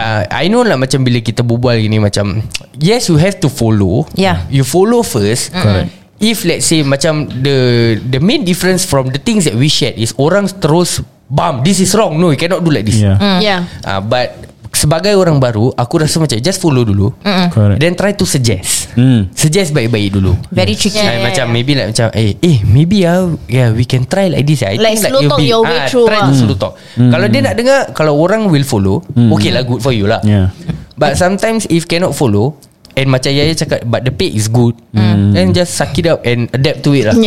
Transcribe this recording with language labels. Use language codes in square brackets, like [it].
[en] I know lah, [ms] macam bila kita berbual gini, macam [en] yes, you have to follow. You follow first. Correct. If let's say macam the main difference from the things that we shared is [ms] orang terus bam, [en] this is wrong, no, you cannot do like this. [ms] But sebagai orang baru, aku rasa macam [en] just follow [ms] dulu. [en] Then try to suggest. Suggest [ms] baik-baik dulu. [en] Very tricky. Maybe like macam we can try like this. Like slow talk your way through. Try to slow talk. [ms] Kalau dia nak dengar, kalau orang [en] will follow, okay lah, good for you lah. But sometimes if cannot follow, and [ms] macam Yaya cakap, [en] but the pay is good, then just suck it up and adapt to it lah.